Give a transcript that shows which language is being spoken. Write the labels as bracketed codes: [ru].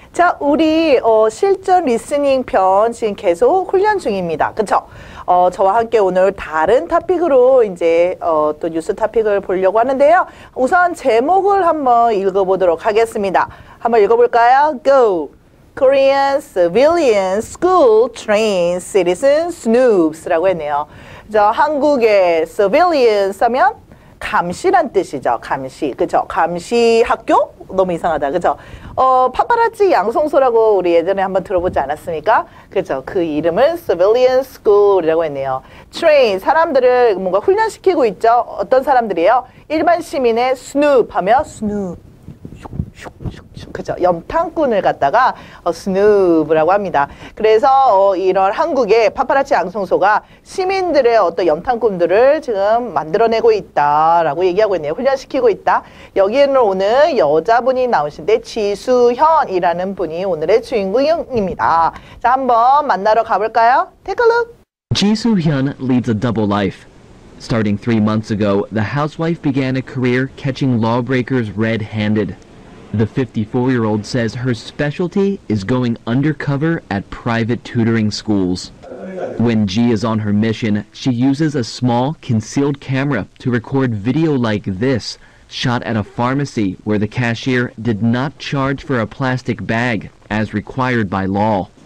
[ko] 자, 우리 실전 리스닝 편 지금 계속 훈련 중입니다. 그쵸? 저와 함께 오늘 다른 토픽으로 이제 또 뉴스 토픽을 보려고 하는데요. 우선 제목을 한번 읽어보도록 하겠습니다. 한번 읽어볼까요? [en] Go. Korean civilian school train citizen snoops라고 했네요. [ko] 저 한국의 civilian 쓰면 감시란 뜻이죠. 감시. 그쵸? 감시 학교? 너무 이상하다. 그쵸? 파파라치 양성소라고 우리 예전에 한번 들어보지 않았습니까? 그쵸? 그 이름은 Civilian School이라고 했네요. [en] Train. [ko] 사람들을 뭔가 훈련시키고 있죠? 어떤 사람들이에요? 일반 시민의 Snoop 하며 Snoop. 그죠? 염탐꾼을 갖다가 스누브라고 합니다. 그래서 이런 한국의 파파라치 양성소가 시민들의 어떤 염탐꾼들을 지금 만들어내고 있다라고 얘기하고 있네요. 훈련시키고 있다. 여기에는 오늘 여자분이 나오신데 지수현이라는 분이 오늘의 주인공입니다. 자, 한번 만나러 가볼까요? [en] Take a look. Jisoo-hyun leads a double life. Starting 3 months ago, the housewife began a career catching lawbreakers red-handed. The 54-year-old says her specialty is going undercover at private tutoring schools. When G is on her mission, she uses a small, concealed camera to record video like this, shot at a pharmacy where the cashier did not charge for a plastic bag, as required by law.